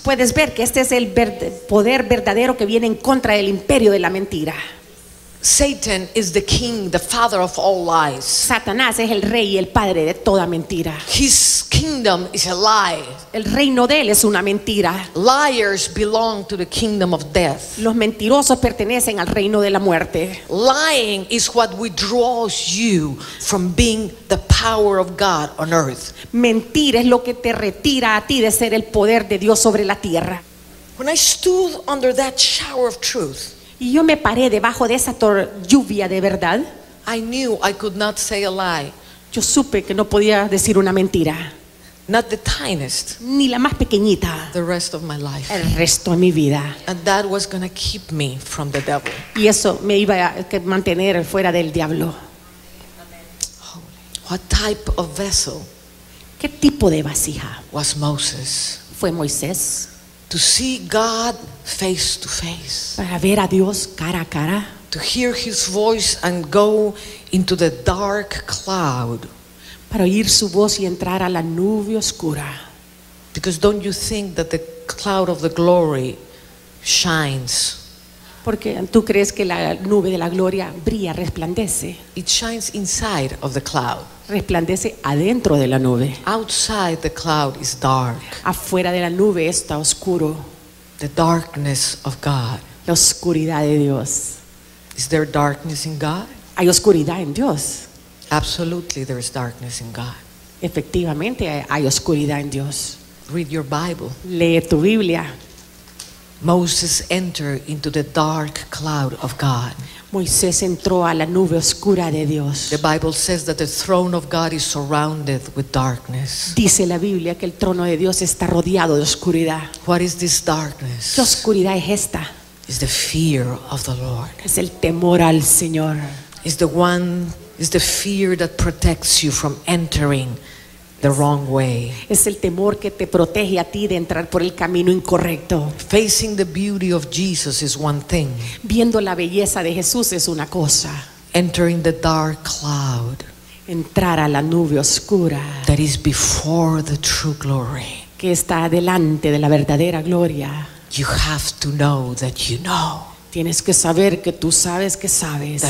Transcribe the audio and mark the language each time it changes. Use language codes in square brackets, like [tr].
[es] Puedes ver que este es el poder verdadero que viene en contra del imperio de la mentira. [en] Satan is the king, the father of all lies. [es] Satanás es el rey y el padre de toda mentira. [en] His kingdom is a lie. [es] El reino de él es una mentira. [en] Liars belong to the kingdom of death. [es] Los mentirosos pertenecen al reino de la muerte. [en] Lying is what withdraws you from being the power of God on earth. [es] Mentir es lo que te retira a ti de ser el poder de Dios sobre la tierra. [en] When I stood under that shower of truth, [es] y yo me paré debajo de esa lluvia de verdad. [en] I knew I could not say a lie. [es] Yo supe que no podía decir una mentira. [en] Not the tiniest. [es] Ni la más pequeñita. [en] The rest of my life. [es] El resto de mi vida. [en] And that was gonna keep me from the devil. [es] Y eso me iba a mantener fuera del diablo. [en] Holy. What type of vessel? [es] ¿Qué tipo de vasija? [en] Was Moses. [es] Fue Moisés. [en] To see God face to face. [es] Para ver a Dios cara a cara. [en] To hear His voice and go into the dark cloud. [es] Para oír su voz y entrar a la nube oscura. [en] Because don't you think that the cloud of the glory shines? [es] Porque tú crees que la nube de la gloria brilla, resplandece. [en] It shines inside of the cloud. [es] Resplandece adentro de la nube. [en] Outside the cloud is dark. [es] Afuera de la nube está oscuro. [en] The darkness of God. [es] La oscuridad de Dios. [en] Is there darkness in God? [es] Hay oscuridad en Dios. [en] Absolutely, there is darkness in God. [es] Efectivamente, hay oscuridad en Dios. [en] Read your Bible. [es] Lee tu Biblia. [en] Moses entered into the dark cloud of God. [es] Moisés entró a la nube oscura de Dios. [en] The Bible says that the throne of God is surrounded with darkness. [es] Dice la Biblia que el trono de Dios está rodeado de oscuridad. [en] What is this darkness? [es] ¿Qué oscuridad es esta? [en] It's the fear of the Lord. [es] Es el temor al Señor. [en] It's the fear that protects you from entering the wrong way. [es] Es el temor que te protege a ti de entrar por el camino incorrecto. [en] Facing the beauty of Jesus is one thing. [es] Viendo la belleza de Jesús es una cosa. [en] Entering the dark cloud. [es] Entrar a la nube oscura. [en] That is before the true glory. [es] Que está delante de la verdadera gloria. [en] You have to know that you know. [es] Tienes que saber que tú sabes que sabes.